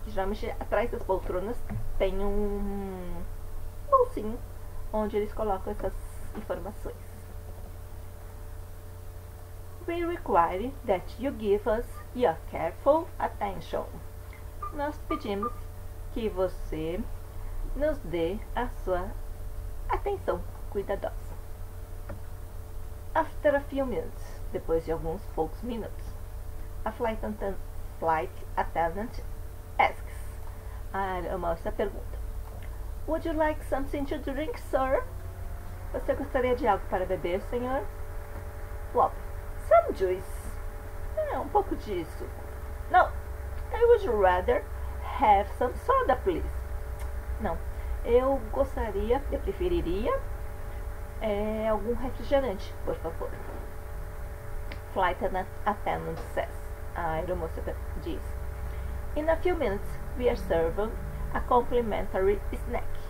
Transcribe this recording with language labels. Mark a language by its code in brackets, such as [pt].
[pt] Geralmente atrás das poltronas tem um bolsinho onde eles colocam essas informações. [en] We require that you give us your careful attention. [pt] Nós pedimos que você nos dê a sua atenção cuidadosa. [en] After a few minutes, [pt] depois de alguns poucos minutos, [en] a flight attendant asks, [pt] a aeromoça pergunta, [en] Would you like something to drink, sir? [pt] Você gostaria de algo para beber, senhor? [en] Well, some juice. [pt] Um pouco disso. [en] No, I would rather have some soda, please. [pt] Não, Eu gostaria, eu preferiria, algum refrigerante, por favor. [en] Flight attendant says, [pt] a aeromoça diz. [en] In a few minutes, we are serving a complimentary snack.